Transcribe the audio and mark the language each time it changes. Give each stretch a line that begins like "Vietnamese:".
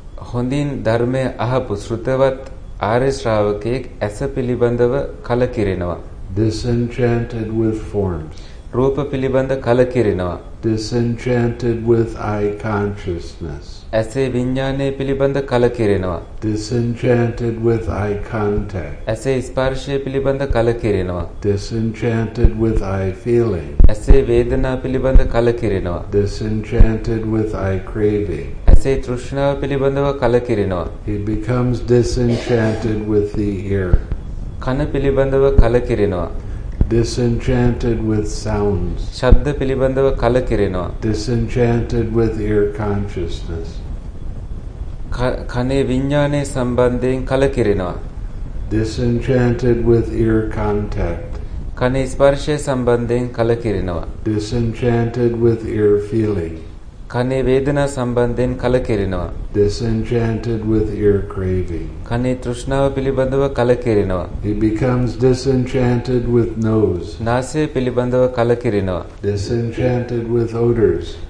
Sinhala: හොඳින් ධර්මය අහපු ශ්‍රුතවත් ආර්ය ශ්‍රාවකෙක් ඇස පිළිබඳව කලකිරෙනවා.
English: Disenchanted with forms.
Sinhala: රූප පිළිබඳ කලකිරෙනවා.
English: Disenchanted with eye consciousness.
Sinhala: ඇසේ විඥානය පිළිබඳ කලකිරෙනවා.
English: Disenchanted with eye contact.
Sinhala: ඇසේ ස්පර්ශය පිළිබඳ කලකිරෙනවා.
English: Disenchanted with eye feeling.
Sinhala: ඇසේ වේදනා පිළිබඳ කලකිරෙනවා.
English: Disenchanted with eye craving.
Sinhala: ඇසේ තෘෂ්ණාව පිළිබඳව කලකිරෙනවා.
English: He becomes disenchanted with the ear.
Sinhala: කන පිළිබඳව කලකිරෙනවා.
English: Disenchanted with sounds.
Sinhala: ශබ්ද පිළිබඳව කලකිරෙනවා.
English: Disenchanted with ear consciousness.
Sinhala: කනේ විඥානයේ සම්බන්ධයෙන් කලකිරෙනවා.
English: Disenchanted with ear contact.
Sinhala: කනේ ස්පර්ශයේ සම්බන්ධයෙන් කලකිරෙනවා.
English: Disenchanted with ear feeling.
Sinhala: කනේ වේදනා සම්බන්ධයෙන් කලකිරෙනවා.
English: Disenchanted with ear craving.
Sinhala: කනේ තෘෂ්ණාව පිළිබඳව කලකිරෙනවා.
English: He becomes disenchanted with nose.
Sinhala: නාසය පිළිබඳව කලකිරෙනවා.
English: Disenchanted with odors.